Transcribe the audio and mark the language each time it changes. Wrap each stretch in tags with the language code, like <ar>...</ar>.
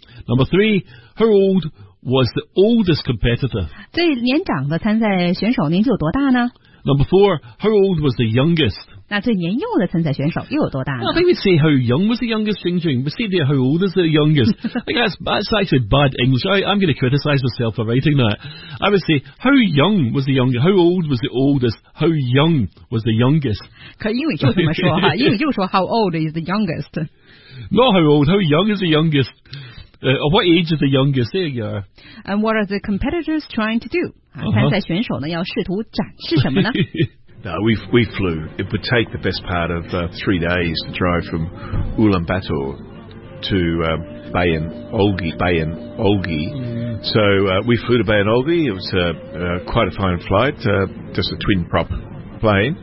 <en>？Number three, how old was the oldest competitor?</en> <zh>最年长的参赛选手年纪有多大呢</zh> <en>？Number four, how old was the youngest?</en> <zh>那最年幼的参赛选手又有多大呢</zh> <en>？I think we say how young was the youngest Xing Jing. We say there how old is the youngest. I think that's actually bad English. I'm going to criticize myself for writing that. I would say how young was the youngest. How old was the oldest? How young was the youngest?</en> <zh>可英语就这么说哈，英语就说</zh> <en>how old is the youngest. Not how old. How young is the youngest? What age is the youngest? There you are. And what are the competitors trying to do?</en> <zh>参赛选手呢要试图展示什么呢？</zh> <en>No, we flew. It would take the best part of 3 days to drive from Ulaanbaatar to Bayan Olgi.、Mm. So we flew to Bayan Olgi. It was quite a fine flight, just a twin prop plane.</en>